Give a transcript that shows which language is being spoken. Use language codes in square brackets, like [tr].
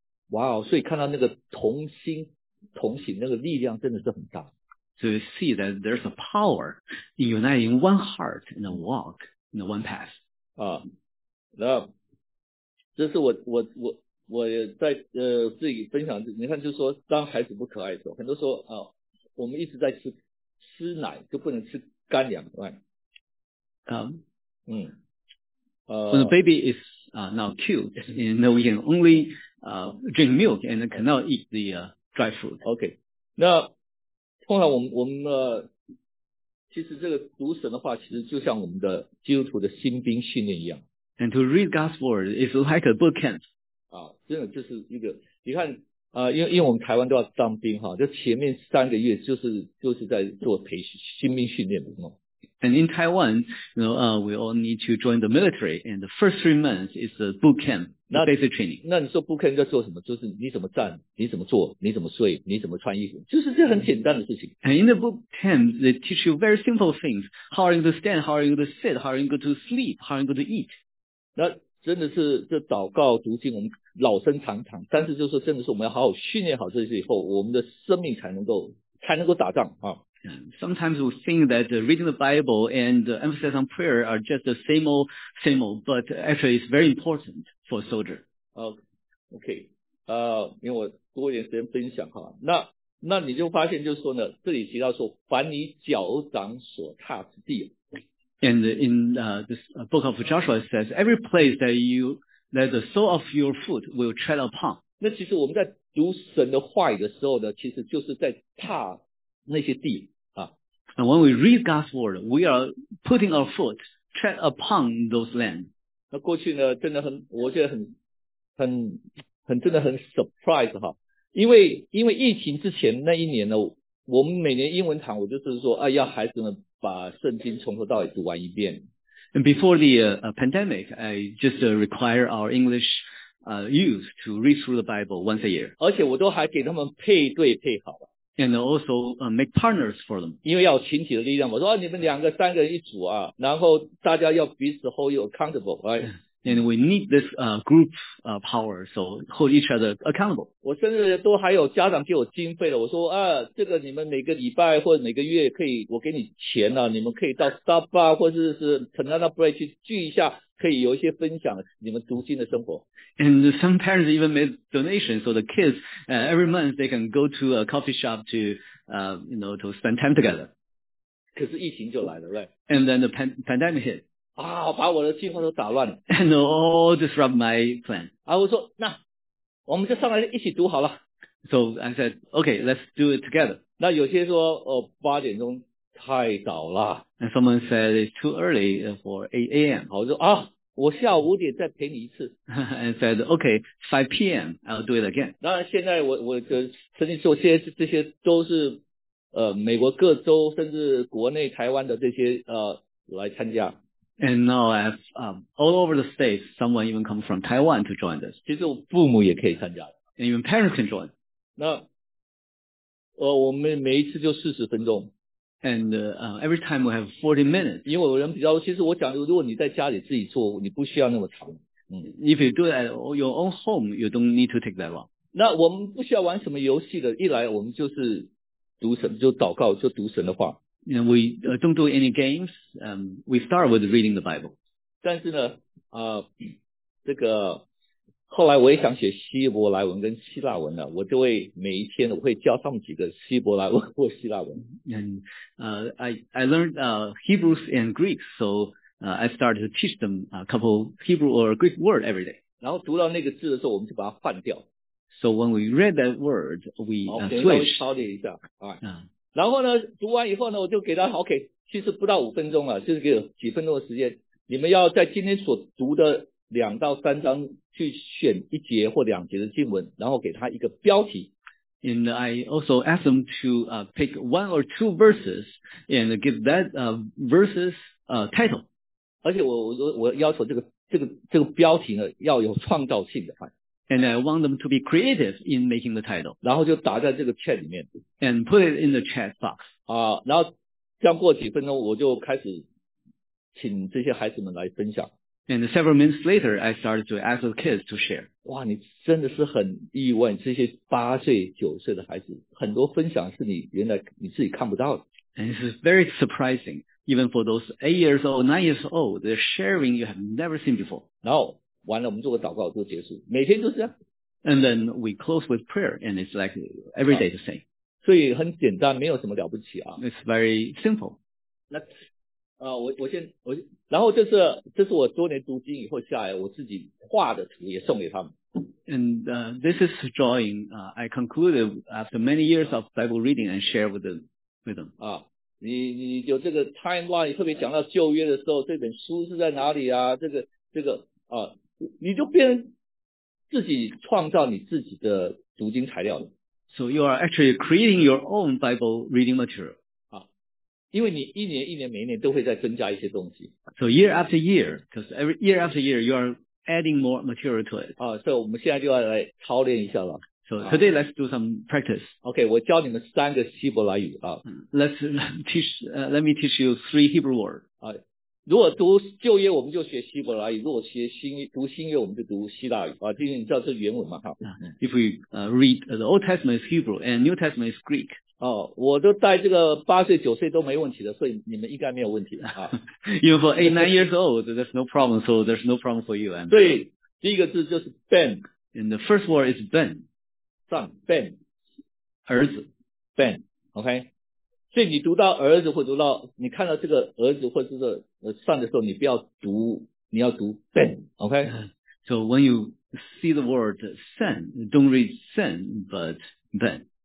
[zh] Wow, 所以看到那个同心同行那个力量真的是很大。 [en] So you see that there's a power in uniting one heart in a walk, in a one path. [zh] 那这是我在自己分享，你看就是说当孩子不可爱的时候，很多时候我们一直在吃奶就不能吃干粮，对吧？ [en] When the baby is now cute, and then we can only drink milk and cannot eat the dry food. Okay. [zh] 那通常我们其实这个读神的话，其实就像我们的基督徒的新兵训练一样。 [en] And to read God's word is like a boot camp. [zh] 真的就是一个，你看因为我们台湾都要当兵哈，就前面三个月就是在做培训新兵训练的嘛。 [en] And in Taiwan, we all need to join the military, and the first 3 months is the boot camp, the basic training. [zh] 那你说 boot camp 要做什么？就是你怎么站，你怎么坐，你怎么睡，你怎么穿衣服，就是这很简单的事情。 [en] And in the boot camp, they teach you very simple things. How are you to stand? How are you to sit? How are you going to sleep? How are you going to eat? [zh] 那真的是这祷告读经，我们老生常谈，但是就是真的是我们要好好训练好这些以后，我们的生命才能够打仗啊。 [en] Sometimes we think that reading the Bible and the emphasis on prayer are just the same old, but actually it's very important for a soldier. Okay. [zh] 因为我多一点时间分享哈，那你就发现就是说呢，这里提到说，凡你脚掌所踏之地。 [en] And in this book of Joshua it says, every place that the sole of your foot will tread upon. [zh] 那其实我们在读神的话语的时候呢，其实就是在踏那些地啊。 [en] And when we read God's word, we are putting our foot, tread upon those land. [zh] 那过去呢真的很，我觉得很真的很 surprise 哈。因为疫情之前那一年呢，我们每年英文堂我就是说要孩子们把圣经从头到尾读完一遍。 [en] And before the pandemic, I just require our English youth to read through the Bible once a year. [zh] 而且我都还给他们配对配好了。 [en] And also make partners for them. [zh] 因为要有群体的力量，我说你们两个三个人一组啊，然后大家要彼此 [en] hold you accountable, right? And we need this group power, so hold each other accountable. [zh] 我甚至都还有家长给我经费了，我说这个你们每个礼拜或者每个月可以，我给你钱了，你们可以到 Starbucks 或者是 Banana Bread 去聚一下，可以有一些分享你们读经的生活。 [en] And some parents even made donations, so the kids, every month they can go to a coffee shop to, to spend time together. [zh] 可是疫情就来了 ,right? [en] And then the pandemic hit. [zh] 把我的计划都打乱了。 [en] And all disrupt my plan. [zh] 我说那我们就上来一起读好了。 [en] So I said, okay, let's do it together. [zh] 那有些说八点钟太早了。 [en] And someone said it's too early for 8 a.m. [zh] 我说我下午五点再陪你一次。 [en] And said, okay, 5 p.m., I'll do it again. [zh] 当然现在我的曾经说这些都是美国各州甚至国内台湾的这些来参加。 [en] And now I've, all over the states, someone even come from Taiwan to join us. [zh] 其实我父母也可以参加。 [en] And even parents can join. [zh] 那我们每一次就40分钟。 [en] And every time we have 40 minutes. [zh] 因为有人比较，其实我讲，如果你在家里自己做，你不需要那么长。 [en] If you do it at your own home, you don't need to take that long. [zh] 那我们不需要玩什么游戏的，一来我们就是读神，就祷告，就读神的话。 [en] You know, we don't do any games. We start with reading the Bible. [zh] 但是呢，这个后来我也想写希伯来文跟希腊文的，我就会每一天我会教他们几个希伯来文或希腊文。 [en] And I learned Hebrews and Greek, so I started to teach them a couple Hebrew or Greek word every day. [zh] 然后读到那个字的时候，我们就把它换掉。 [en] So when we read that word, we switch. [zh] 我稍微操练一下，然后呢，读完以后呢，我就给他 OK， 其实不到五分钟了，就是给几分钟的时间。你们要在今天所读的两到三章去选一节或两节的经文，然后给他一个标题。 [en] And I also ask them to pick one or two verses and give that verses title. [zh] 而且我要求这个标题呢要有创造性的。 [en] And I want them to be creative in making the title. [zh] 然后就打在这个 chat 里面。 [en] And put it in the chat box. [zh] 然后这样过几分钟我就开始请这些孩子们来分享。 [en] And several minutes later, I started to ask the kids to share. [zh] 哇，你真的是很意外，这些八岁、九岁的孩子，很多分享是你原来你自己看不到的。 [en] And this is very surprising, even for those 8 years old, 9 years old, they're sharing you have never seen before. [zh] 然后完了，我们做个祷告就结束，每天都是这样。 [en] And then we close with prayer, and it's like every day the same. [zh] 所以很简单，没有什么了不起啊。 [en] It's very simple. [zh] 那我然后这是我多年读经以后下来我自己画的图也送给他们。 [en] And this is drawing, I concluded after many years of Bible reading and share with them. [zh] 你有这个 timeline, 特别讲到旧约的时候这本书是在哪里啊，这个你就变自己创造你自己的读经材料了。 [en] So you are actually creating your own Bible reading material. [zh] 因为你一年一年每一年都会再增加一些东西。 [en] So year after year, because every year after year, you are adding more material to it. [zh] 所以我们现在就要来操练一下了。 [en] So today let's do some practice. [zh] Okay, 我教你们三个希伯来语啊。 [en] Let me teach you three Hebrew words. [zh] 如果读旧约我们就学希伯来语，如果学新读新约我们就读希腊语啊。今天你知道这是原文吗？哈。 [en] If we read the Old Testament is Hebrew and New Testament is Greek. [zh] 我都带这个八岁九岁都没问题的，所以你们应该没有问题的。 [en] 因为 for 8, 9 years old, there's no problem, so there's no problem for you. [zh] 对，第一个字就是 Ben. [en] And the first word is Ben. [zh] 算 Ben. 儿子 [en] Ben. OK. [zh] 所以你读到儿子或读到你看到这个儿子或者是算的时候你不要读，你要读 Ben. [en] OK. So when you see the word son, don't read son, but Ben.